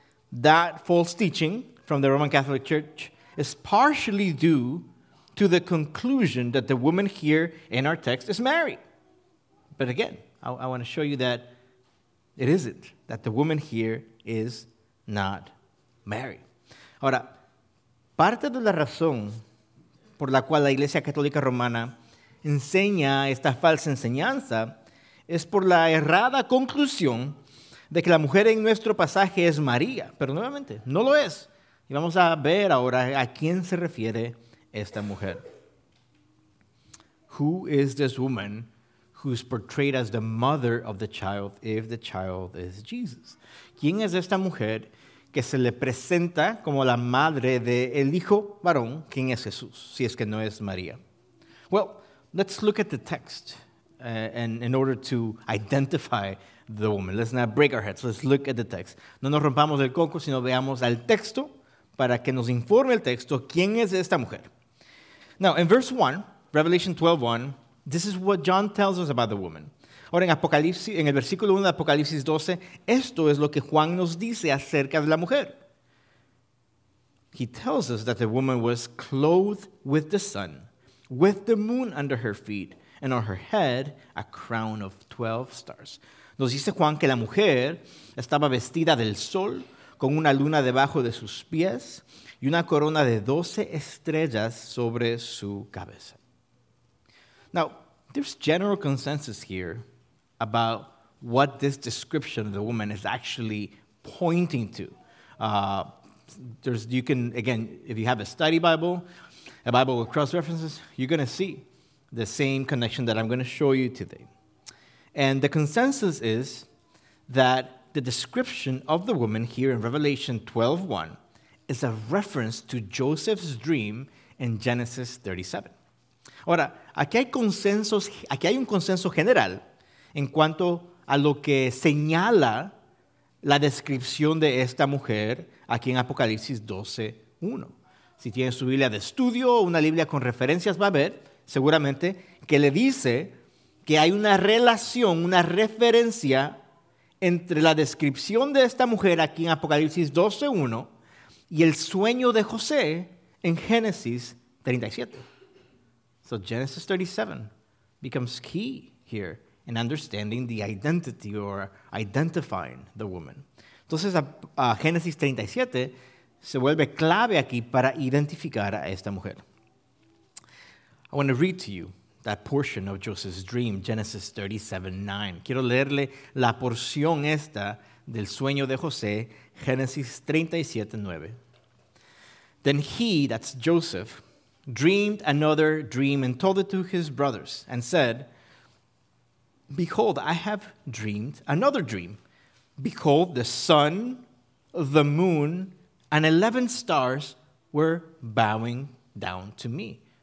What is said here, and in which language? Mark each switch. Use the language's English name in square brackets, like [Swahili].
[English] That false teaching from the Roman Catholic Church is partially due to the conclusion that the woman here in our text is Mary. But again, I want to show you that it isn't, that the woman here is not Mary. [Spanish] Ahora, parte de la razón por la cual la Iglesia Católica Romana enseña esta falsa enseñanza es por la errada conclusión de que la mujer en nuestro pasaje es María. Pero nuevamente, no lo es. Y vamos a ver ahora a quién se refiere esta mujer. [English] Who is this woman who's portrayed as the mother of the child if the child is Jesus? [Spanish] ¿Quién es esta mujer que se le presenta como la madre del hijo varón, quién es Jesús, si es que no es María? [English] Well, let's look at the text in order to identify the woman. Let's not break our heads. Let's look at the text. [Spanish] No nos rompamos el coco, sino veamos al texto para que nos informe el texto quién es esta mujer. [English] Now, in verse 1, Revelation 12:1, this is what John tells us about the woman. [Spanish] Ahora, en el versículo 1 de Apocalipsis 12, esto es lo que Juan nos dice acerca de la mujer. [English] He tells us that the woman was clothed with the sun, with the moon under her feet, and on her head a crown of 12 stars. [Spanish] Nos dice Juan que la mujer estaba vestida del sol, con una luna debajo de sus pies, y una corona de 12 estrellas sobre su cabeza. [English] Now, there's general consensus here about what this description of the woman is actually pointing to. You can, again, if you have a study Bible, a Bible with cross-references, you're going to see the same connection that I'm going to show you today. And the consensus is that the description of the woman here in Revelation 12:1 is a reference to Joseph's dream in Genesis 37. [Spanish] Ahora, aquí hay un consenso general en cuanto a lo que señala la descripción de esta mujer aquí en Apocalipsis 12:1. Si tiene su Biblia de estudio o una Biblia con referencias, va a ver seguramente que le dice que hay una relación, una referencia entre la descripción de esta mujer aquí en Apocalipsis 12:1 y el sueño de José en Génesis 37. [English] So Genesis 37 becomes key here in understanding the identity or identifying the woman. [Spanish] Entonces, a Génesis 37 se vuelve clave aquí para identificar a esta mujer. [English] I want to read to you that portion of Joseph's dream, Genesis 37:9. [Spanish] Quiero leerle la porción esta del sueño de José, Génesis 37:9. [English] Then he, that's Joseph, dreamed another dream and told it to his brothers and said, "Behold, I have dreamed another dream. Behold, the sun, the moon, and 11 stars were bowing down to me."